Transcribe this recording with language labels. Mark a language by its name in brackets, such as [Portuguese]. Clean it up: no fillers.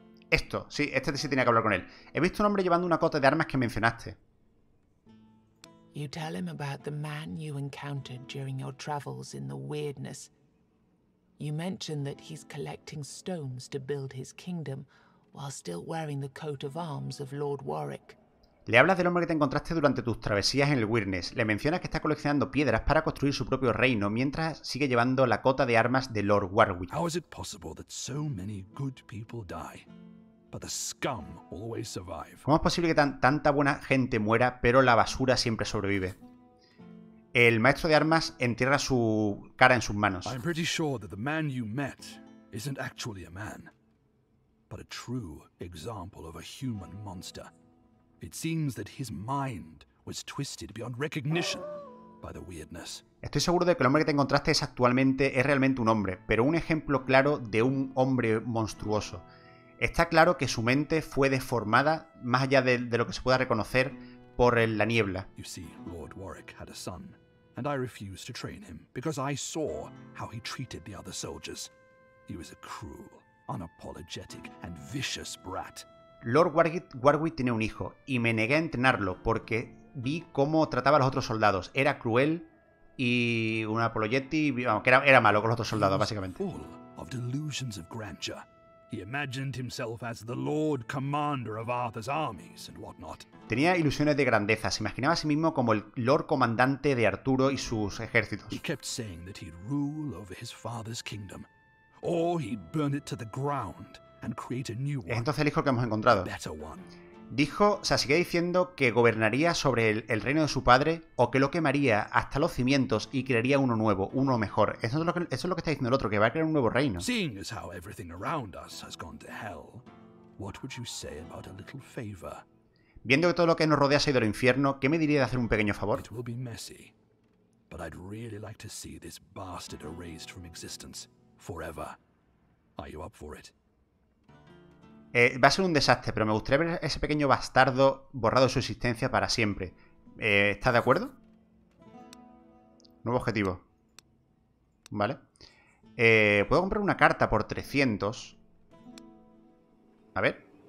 [Spanish] Esto, sí, este sí tenía que hablar con él. He visto un hombre llevando una cota de armas que mencionaste. [English] You tell him about the man you encountered during your travels in the weirdness. You mention that he's collecting stones to build his kingdom while still wearing the coat of arms of Lord Warwick. [Spanish] Le hablas del hombre que te encontraste durante tus travesías en el weirdness. Le mencionas que está coleccionando piedras para construir su propio reino mientras sigue llevando la cota de armas de Lord Warwick. [English] How is it possible that so many good people die? But the scum always survive. [Spanish] ¿Cómo es posible que tanta buena gente muera, pero la basura siempre sobrevive? El maestro de armas entierra su cara en sus manos. [English] I'm pretty sure that the man you met isn't actually a man, but a true example of a human monster. It seems that his mind was twisted beyond recognition by the weirdness. [Spanish] Estoy seguro de que el hombre que te encontraste es realmente un hombre, pero un ejemplo claro de un hombre monstruoso. Está claro que su mente fue deformada más allá de lo que se pueda reconocer por la niebla. [English] You see, Lord Warwick had a son, and I refused to train him because I saw how he treated the other soldiers. He was a cruel, unapologetic, and vicious brat. [Spanish] Lord Warwick tiene un hijo y me negué a entrenarlo porque vi cómo trataba a los otros soldados. Era cruel y un apologetic, vamos, que era malo con los otros soldados, básicamente. [English] He was full of delusions of grandeur. He imagined himself as the Lord Commander of Arthur's armies and whatnot. [Spanish] Tenía ilusiones de grandeza. Se imaginaba a sí mismo como el Lord Comandante de Arturo y sus ejércitos. [English] He kept saying that he'd rule over his father's kingdom, or he'd burn it to the ground and create a new one. [Spanish] Es entonces el hijo que hemos encontrado. [English] A better one. [Spanish] Dijo, o sea, sigue diciendo que gobernaría sobre el reino de su padre o que lo quemaría hasta los cimientos y crearía uno nuevo, uno mejor. Eso es lo que está diciendo el otro, que va a crear un nuevo reino. [English] Seeing as how everything around us has gone to hell, what would you say about a little favor? [Spanish] Viendo que todo lo que nos rodea ha sido el infierno, ¿qué me diría de hacer un pequeño favor? [English] It will be messy, but I'd really like to see this bastard erased from existence forever. Are you up for it? [Spanish] Va a ser un desastre, pero me gustaría ver ese pequeño bastardo borrado de su existencia para siempre. ¿Estás de acuerdo? Nuevo objetivo. Vale. Puedo comprar una carta por 300. A ver.